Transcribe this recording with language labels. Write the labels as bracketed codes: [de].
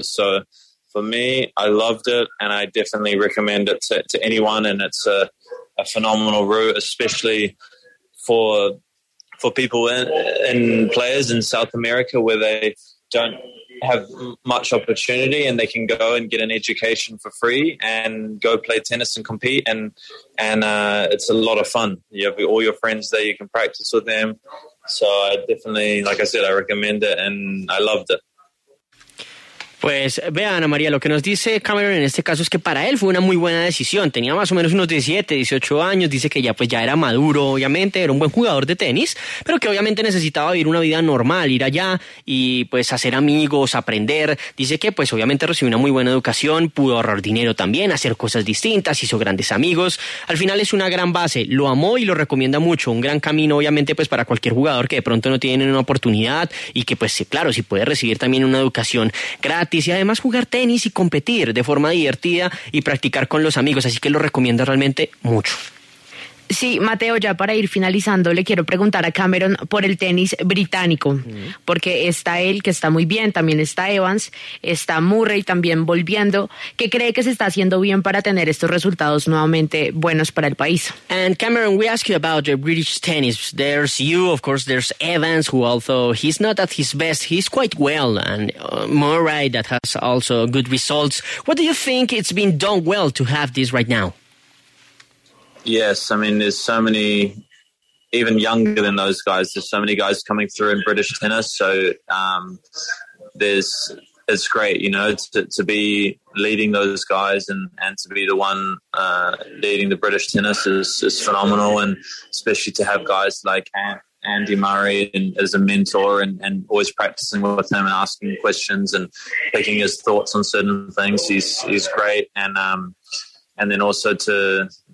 [en] So for me, I loved it, and I definitely recommend it to anyone, and it's a phenomenal route, especially for people and players in South America where they don't have much opportunity, and they can go and get an education for free and go play tennis and compete, and it's a lot of fun. You have all your friends there, you can practice with them, so I definitely, like I said, I recommend it, and I loved it. [es] Pues vea, Ana María, lo que nos dice Cameron en este caso es que para él fue una muy buena decisión. Tenía más o menos unos 17, 18 años, dice que ya pues ya era maduro, obviamente, era un buen jugador de tenis, pero que obviamente necesitaba vivir una vida normal, ir allá y pues hacer amigos, aprender. Dice que pues obviamente recibió una muy buena educación, pudo ahorrar dinero también, hacer cosas distintas, hizo grandes amigos. Al final es una gran base, lo amó y lo recomienda mucho, un gran camino obviamente pues para cualquier jugador que de pronto no tiene una oportunidad y que pues claro, si puede recibir también una educación gratis. Y además jugar tenis y competir de forma divertida y practicar con los amigos, así que lo recomiendo realmente mucho. Sí, Mateo, ya para ir finalizando, le quiero preguntar a Cameron por el tenis británico, porque está él, que está muy bien, también está Evans, está Murray también volviendo. ¿Qué cree que se está haciendo bien para tener estos resultados nuevamente buenos para el país? [en] And Cameron, we ask you about the British tennis. There's you, of course, there's Evans, who although he's not at his best, he's quite well, and Murray that has also good results. What do you think it's been done well to have this right now? Yes, I mean, there's so many, even younger than those guys, there's so many guys coming through in British tennis, so it's great, you know, to be leading those guys and to be the one leading the British tennis is phenomenal, and especially to have guys like Andy Murray and as a mentor and always practicing with him and asking questions and picking his thoughts on certain things, he's great, and then also to...